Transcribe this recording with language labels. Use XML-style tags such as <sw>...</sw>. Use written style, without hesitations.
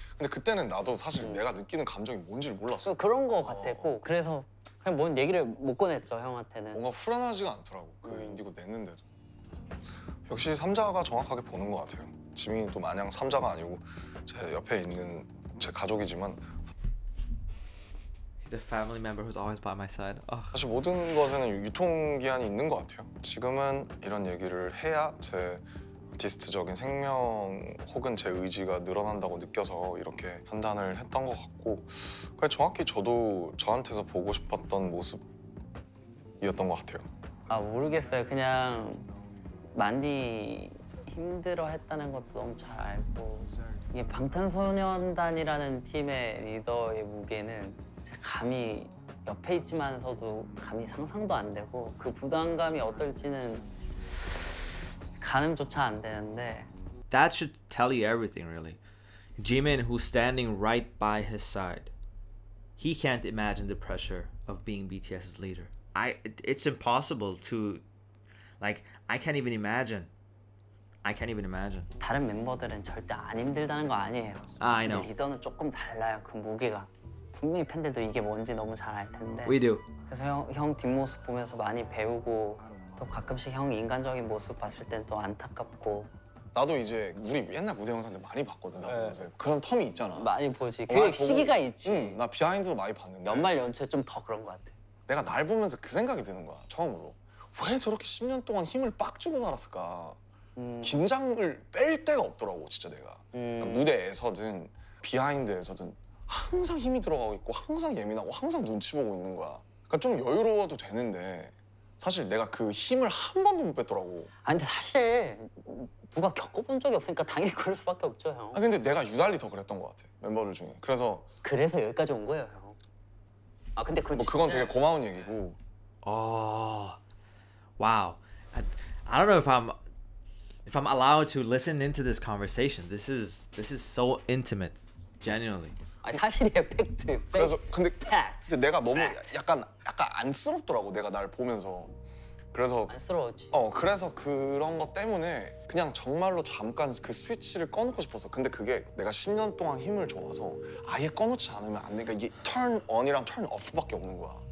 <ko>근데 그때는 나도 사실 내가 느끼는 감정이 뭔지를 몰랐어 그런 거 같았고 그래서 그냥 뭔 얘기를 못 꺼냈죠 형한테는 뭔가 불안하지가 않더라고 그 인디고 냈는데도 역시 삼자가 정확하게 보는 것 같아요. 지민이도 마냥 삼자가 아니고 제 옆에 있는 제 가족이지만</ko> <en>He's a family member who's always by my side. Oh.</en> <ko>사실 모든 것에는 유통기한이 있는 것 같아요. 지금은 이런 얘기를 해야 제 아티스트적인 생명 혹은 제 의지가 늘어난다고 느껴서 이렇게 판단을 했던 것 같고 그냥 정확히 저도 저한테서 보고 싶었던 모습이었던 것 같아요. 아 모르겠어요. 그냥 만디 힘들어했다는 것도 너무 잘 알고 이게 방탄소년단이라는 팀의 리더의 무게는 감히 옆에 있지만서도 감히 상상도 안 되고 그 부담감이 어떨지는 가늠조차 안 되는데</ko> <en>That should tell you everything really Jimin who's standing right by his side He can't imagine the pressure of being BTS's leader It's impossible to Like, I can't even imagine. I can't even imagine.</en> <ko>다른 멤버들은 절대 안 힘들다는 거 아니에요.</ko> <en>아, I know.</en> <ko>리더는 조금 달라요, 그 무게가. 분명히 팬들도 이게 뭔지 너무 잘 알 텐데.</ko> <en>We do.</en> <ko>그래서 형 뒷모습 보면서 많이 배우고 또 가끔씩 형 인간적인 모습 봤을 땐 또 안타깝고. 나도 이제 우리 옛날 무대 영상들 많이 봤거든, 나도 네. 그런 텀이 있잖아. 많이 보지. 그 시기가 보고, 있지. 나 비하인드도 많이 봤는데. 연말 연초에 좀 더 그런 거 같아. 내가 날 보면서 그 생각이 드는 거야, 처음으로. 왜 저렇게 10년 동안 힘을 빡 주고 살았을까? 긴장을 뺄 데가 없더라고 진짜 내가 그러니까 무대에서든 비하인드에서든 항상 힘이 들어가고 있고 항상 예민하고 항상 눈치 보고 있는 거야 그러니까 좀 여유로워도 되는데 사실 내가 그 힘을 한 번도 못 뺐더라고 아니 근데 사실 누가 겪어본 적이 없으니까 당연히 그럴 수밖에 없죠 형 아 근데 내가 유달리 더 그랬던 것 같아 멤버들 중에 그래서 여기까지 온 거예요 형 아 근데 그건 뭐 그건 되게 고마운 얘기고 아 와우</ko> <en>I don't know if I'm allowed to listen into this conversation. This is so intimate, genuinely.</en> <ko>아 사실이야, 팩트. 그래서 근데 팩트. 근데 내가 너무 팩트. 약간 안쓰럽더라고 내가 날 보면서. 그래서 안쓰러웠지. 그래서 그런 것 때문에 그냥 정말로 잠깐 그 스위치를 꺼놓고 싶었어. 근데 그게 내가 10년 동안 힘을 줘서 아예 꺼놓지 않으면 안 되니까 이게 turn on이랑 turn off밖에 없는 거야.</ko>